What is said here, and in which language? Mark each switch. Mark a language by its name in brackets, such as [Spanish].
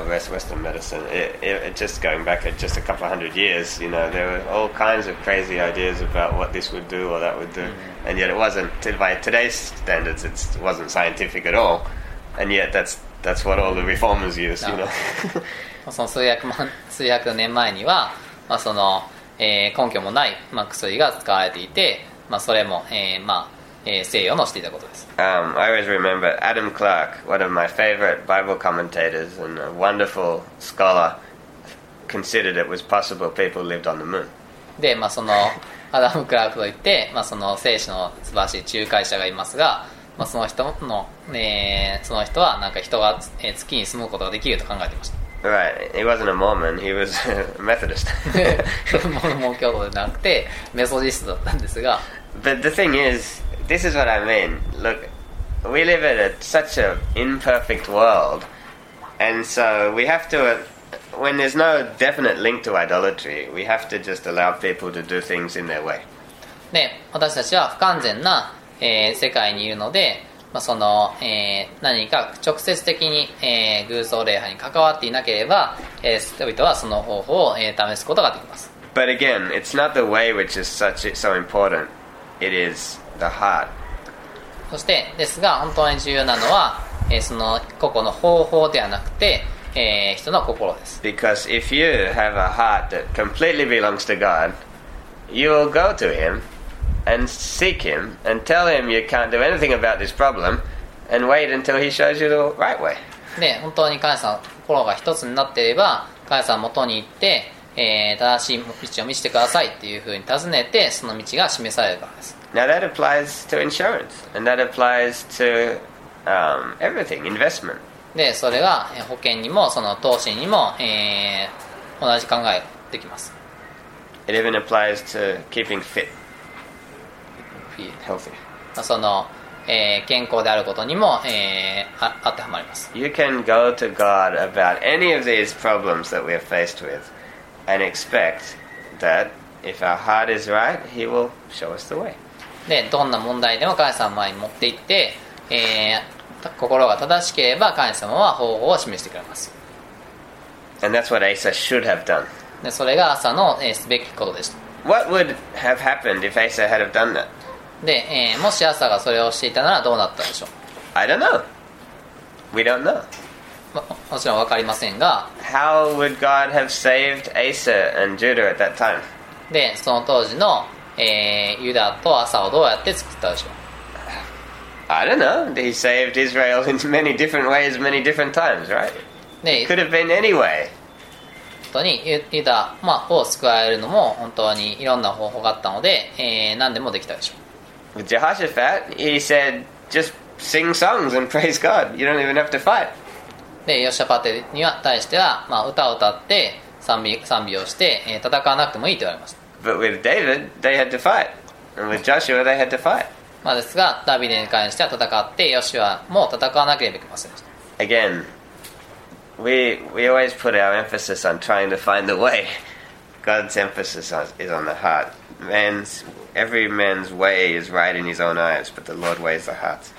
[English] Western medicine just going back just a couple hundred years, you know, there were all kinds of crazy ideas about what this would do or that would do, and yet it wasn't by today's standards, it wasn't scientific at all, and yet that's what all the reformers use, you know. [Japanese] その数百年前には、まあその根拠もない、まあ、薬が使われていて、まあ、それも、まあ、西洋のしていたことです。 [English] I always remember Adam Clark, one of my favorite Bible commentators and a wonderful scholar, considered it was possible people lived on the moon. [Japanese] で、まあ、そのアダム・クラークといって、まあ、その聖書の素晴らしい仲介者がいますが、まあ、その人の、その人はなんか人が月に住むことができると考えていました。 [English] Right, he wasn't a Mormon, he was a Methodist. [Japanese] Mormon 教徒じゃなくて、メソジストだったんですが。 [English] But the thing is, this is what I mean. Look, we live in such an imperfect world, and so we have to, when there's no definite link to idolatry, we have to just allow people to do things in their way. [Japanese] で、私たちは不完全な、世界にいるので、まあ、その何か直接的に偶像礼拝に関わっていなければ人々はその方法を試すことができます。 [English] But again, it's not the way which is such so important. It is the heart. [Japanese] そしてですが本当に重要なのはその個々の方法ではなくて人の心です。 [English] Because if you have a heart that completely belongs to God, you will go to Him. And seek him and tell him you can't do anything about this problem, and wait until he shows you the right way. [Japanese] で、本当に神様の心が一つになっていれば、神様元に行って、正しい道を見せてくださいっていうふうに尋ねて、その道が示されるからです。 [English] Now that applies to insurance, and that applies to everything, investment. [Japanese] で、それが保険にもその投資にも、同じ考えできます。 [English] It even applies to keeping fit. [Japanese] まあ、その、健康であることにも、当てはまります。 [English] You can go to God about any of these problems that we are faced with and expect that if our heart is right, He will show us the way. [Japanese] で、どんな問題でも神様に持っていって、心が正しければ神様は方法を示してくれます。 [English] And that's what Asa should have done. [Japanese] で、それがアサの、すべきことでした。 [English] What would have happened if Asa had have done that? [Japanese] で、もしアサがそれをしていたならどうなったでしょう。 [English] I don't know. We don't know. [Japanese] もちろんわかりませんが。 [English] How would God have saved Asa and Judah at that time? [Japanese] で、その当時の、ユダとアサをどうやって救ったでしょう。 [English] I don't know. He saved Israel in many different ways, many different times, right? It could have been any way. [Japanese] 本当にユダ、を救われるのも本当にいろんな方法があったので、何でもできたでしょう。 [English] With Jehoshaphat, he said, just sing songs and praise God. You don't even have to fight. [Japanese] で、ヨシャパテには対しては、歌を歌って賛美をして、戦わなくてもいいと言われました。 [English] But with David, they had to fight. And with Joshua, they had to fight. [Japanese] まあ、ですがダビデに関しては戦ってヨシュアも戦わなければいけませんでした。 [English] Again, we always put our emphasis on trying to find the way. God's emphasis is on the heart. Every man's way is right in his own eyes, but the Lord weighs the heart.